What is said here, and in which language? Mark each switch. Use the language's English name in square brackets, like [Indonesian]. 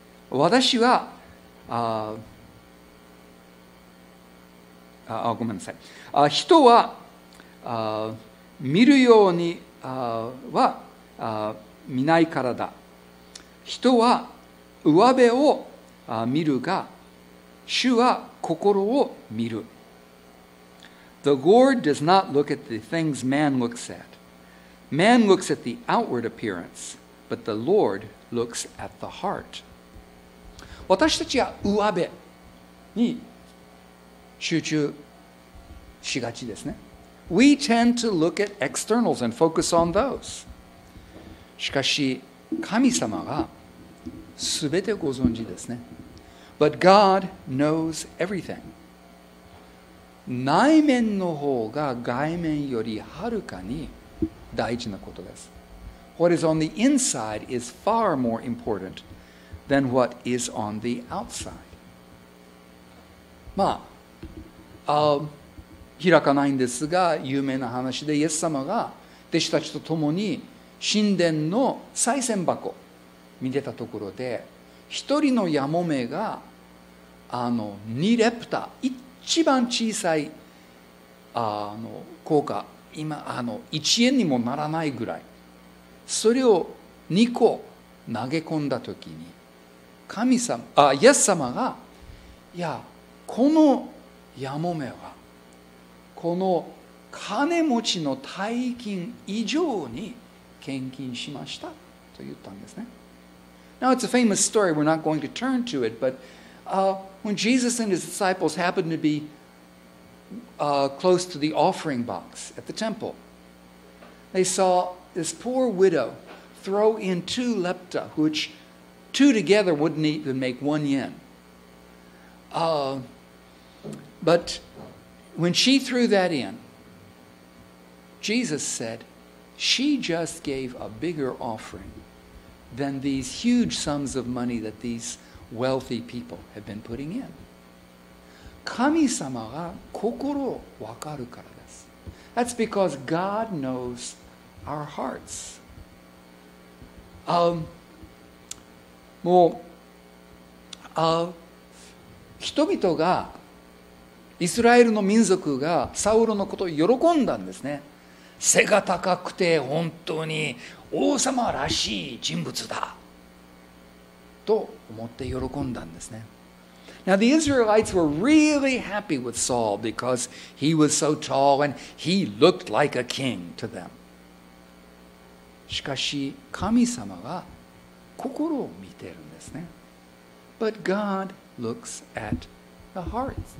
[Japanese] 私は、ごめんなさい。人は見るようには見ないからだ。人は上辺を見るが、主は心を見る。 [English] The Lord does not look at the things man looks at. Man looks at the outward appearance, but the Lord looks at the heart. [Japanese] 私たちは上辺に集中しがちですね。 [English] We tend to look at externals and focus on those. [Japanese] しかし、神様が全てご存知ですね。 [English] But God knows everything. [Japanese] 内面の方が外面よりはるかに大事なことです。 [English] What is on the inside is far more important than what is on the outside. [Japanese] まあ、開かないんですが、有名な話でイエス様が弟子たちと共に神殿の賽銭箱見てたところで、一人のヤモメが2レプタ、一番小さい硬貨、今1円にもならないぐらい、それを2個投げ込んだときに、神様、イエス様が、いや、このヤモメはこの金持ちの大金以上に献金しましたと言ったんですね。 [English] Now, it's a famous story. We're not going to turn to it. But when Jesus and his disciples happened to be close to the offering box at the temple, they saw this poor widow throw in 2 lepta, which 2 together wouldn't even make 1 yen. But when she threw that in, Jesus said, she just gave a bigger offering. than these huge sums of money that these wealthy people have been putting in. [Japanese] 神様が心を分かるからです。 [English] That's because God knows our hearts. [Japanese] もう、人々が、イスラエルの民族がサウロのことを喜んだんですね。背が高くて本当に王様らしい人物だ。と思って喜んだんですね。 [English] Now the Israelites were really happy with Saul because he was so tall and he looked like a king to them. [Japanese] しかし神様が心を見てるんですね。 [English] But God looks at the hearts.